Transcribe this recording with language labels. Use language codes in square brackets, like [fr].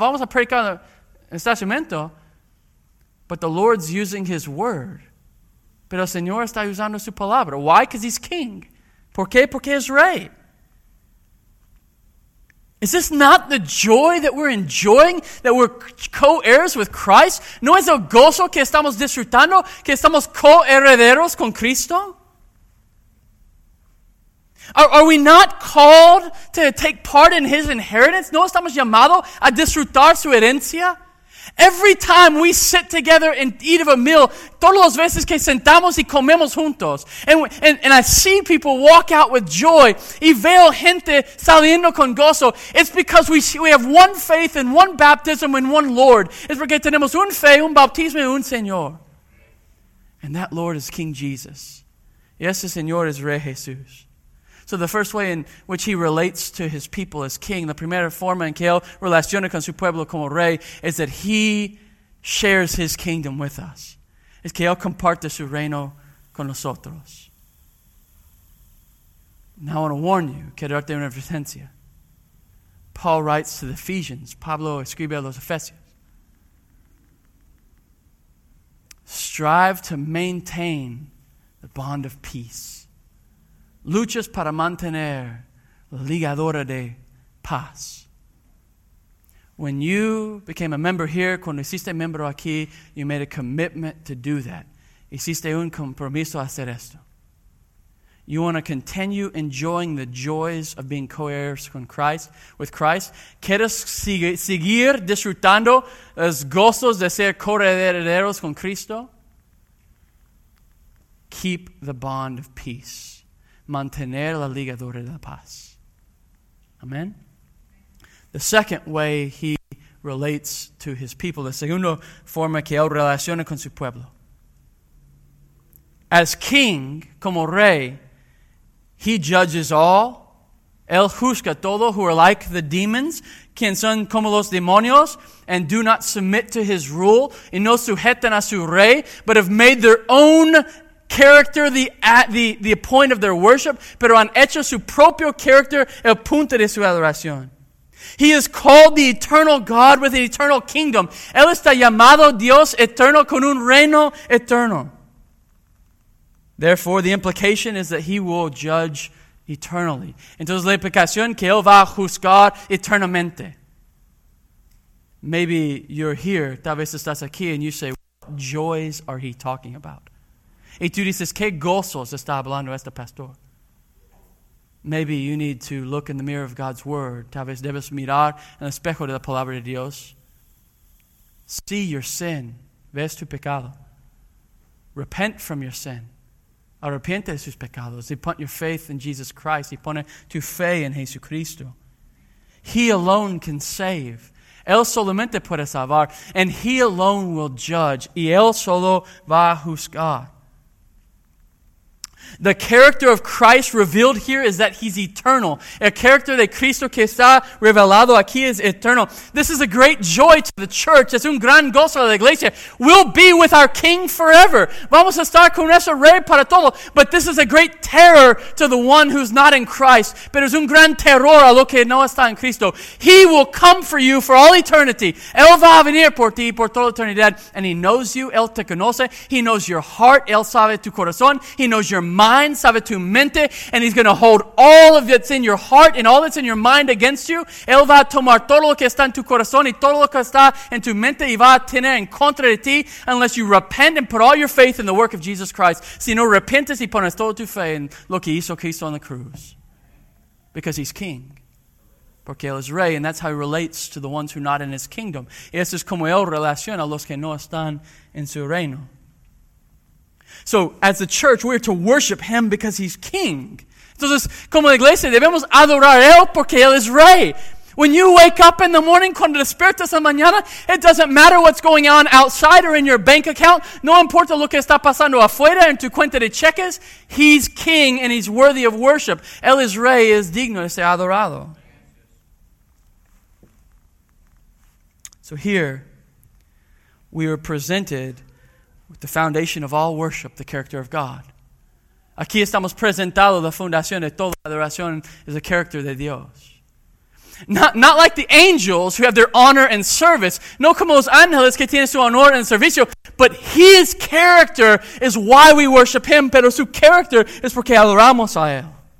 [es] Vamos a predicar en el estacionamiento. [en] But the Lord's using his word. [es] Pero el Señor está usando su palabra. [en] Why? Because he's king. [es] ¿Por qué? Porque es rey. [en] Is this not the joy that we're enjoying, that we're co-heirs with Christ? [es] ¿No es el gozo que estamos disfrutando, que estamos co-herederos con Cristo? [en] Are we not called to take part in his inheritance? [es] ¿No estamos llamados a disfrutar su herencia? [en] Every time we sit together and eat of a meal, [es] todas las veces que sentamos y comemos juntos, [en] and I see people walk out with joy, [es] y veo gente saliendo con gozo, [en] it's because we have one faith and one baptism and one Lord. [es] Es porque tenemos un fe, un bautismo y un Señor. [en] And that Lord is King Jesus. [es] Y ese Señor es Rey Jesús. [en] So the first way in which he relates to his people as king, [es] la primera forma en que él relaciona con su pueblo como rey, [en] is that he shares his kingdom with us. [es] Es que él comparte su reino con nosotros. [en] Now I want to warn you, [es] quedarte una advertencia. [en] Paul writes to the Ephesians, [es] Pablo escribe a los Efesios. [en] Strive to maintain the bond of peace. [es] Luchas para mantener la ligadora de paz. [en] When you became a member here, [es] cuando hiciste miembro aquí, [en] you made a commitment to do that. [es] Hiciste un compromiso a hacer esto. [en] You want to continue enjoying the joys of being co-heirs with Christ? [es] ¿Quieres seguir disfrutando los gozos de ser coherederos con Cristo? [en] Keep the bond of peace. [es] Mantener la ligadura de la paz. [en] Amen. The second way he relates to his people, [es] la segunda forma que él relaciona con su pueblo. [en] As king, [es] como rey, [en] he judges all. [es] Él juzga todo, [en] who are like the demons, [es] quien son como los demonios, [en] and do not submit to his rule, [es] y no sujetan a su rey, [en] but have made their own character the point of their worship, [es] pero han hecho su propio character el punto de su adoración. [en] He is called the eternal God with an eternal kingdom. [es] Él está llamado Dios eterno con un reino eterno. [en] Therefore, the implication is that he will judge eternally. [es] Entonces, la implicación que él va a juzgar eternamente. [en] Maybe you're here, [es] tal vez estás aquí, [en] and you say, what joys are he talking about? [es] Y tú dices, ¿qué gozos está hablando este pastor? [en] Maybe you need to look in the mirror of God's word. [es] Tal vez debes mirar en el espejo de la palabra de Dios. [en] See your sin. [es] Ves tu pecado. [en] Repent from your sin. [es] Arrepiente de sus pecados. Y pon [en] your faith in Jesus Christ. [es] Y pone tu fe en Jesucristo. [en] He alone can save. [es] Él solamente puede salvar. [en] And he alone will judge. [es] Y él solo va a juzgar. [en] The character of Christ revealed here is that he's eternal. [es] El carácter de Cristo que está revelado aquí es eterno. [en] This is a great joy to the church. [es] Es un gran gozo a la iglesia. [en] We'll be with our king forever. [es] Vamos a estar con nuestro rey para todo. [en] But this is a great terror to the one who's not in Christ. [es] Pero es un gran terror a lo que no está en Cristo. [en] He will come for you for all eternity. [es] Él va a venir por ti por toda eternidad. [en] And he knows you. [es] Él te conoce. [en] He knows your heart. [es] Él sabe tu corazón. [en] He knows your mind, [es] sabe tu mente, [en] and he's going to hold all of that's in your heart and all that's in your mind against you. [es] Él va a tomar todo lo que está en tu corazón y todo lo que está en tu mente y va a tener en contra de ti [en] unless you repent and put all your faith in the work of Jesus Christ. [es] Si no repentes y pones toda tu fe en lo que hizo Cristo en la cruz. [en] Because he's king. [es] Porque él es rey, [en] and that's how he relates to the ones who are not in his kingdom. [es] Y eso es como él relaciona a los que no están en su reino. [en] So, as the church, we are to worship him because he's king. [es] Entonces, como la iglesia, debemos adorar a él porque él es rey. [en] When you wake up in the morning, [es] cuando despiertas en la mañana, [en] it doesn't matter what's going on outside or in your bank account. [es] No importa lo que está pasando afuera en tu cuenta de cheques. [en] He's king and he's worthy of worship. [es] Él es rey, es digno de ser adorado. [en] So here, we are presented with the foundation of all worship, the character of God. [es] Aquí estamos presentados la fundación de toda adoración es el carácter de Dios. [en] Not like the angels who have their honor and service. [es] No como los ángeles que tienen su honor and servicio. [en] But his character is why we worship him. [es] Pero su character es porque adoramos a él.